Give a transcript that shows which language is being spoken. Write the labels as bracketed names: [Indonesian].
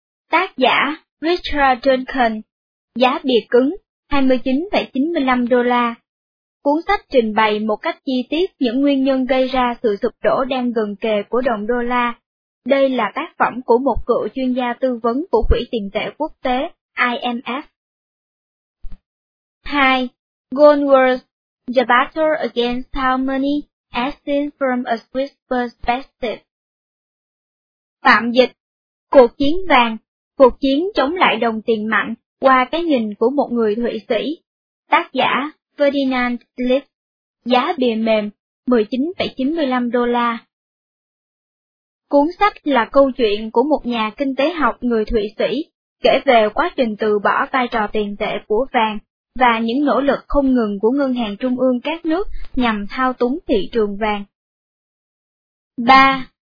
[Vietnamese] Tác giả Richard Duncan. Giá bìa cứng, $29.95. Cuốn sách trình bày một cách chi tiết những nguyên nhân gây ra sự sụp đổ đang gần kề của đồng đô la. Đây là tác phẩm của một cựu chuyên gia tư vấn của Quỹ Tiền tệ Quốc tế, IMF. 2. [English] Gold Wars, The Battle Against Our Money, as seen from a Swiss perspective. [Vietnamese] Tạm dịch. Cuộc chiến vàng, cuộc chiến chống lại đồng tiền mạnh qua cái nhìn của một người Thụy Sĩ. Tác giả Ferdinand Lipp. Giá bìa mềm, $19.95. Cuốn sách là câu chuyện của một nhà kinh tế học người Thụy Sĩ, kể về quá trình từ bỏ vai trò tiền tệ của vàng, và những nỗ lực không ngừng của ngân hàng trung ương các nước nhằm thao túng thị trường vàng. 3.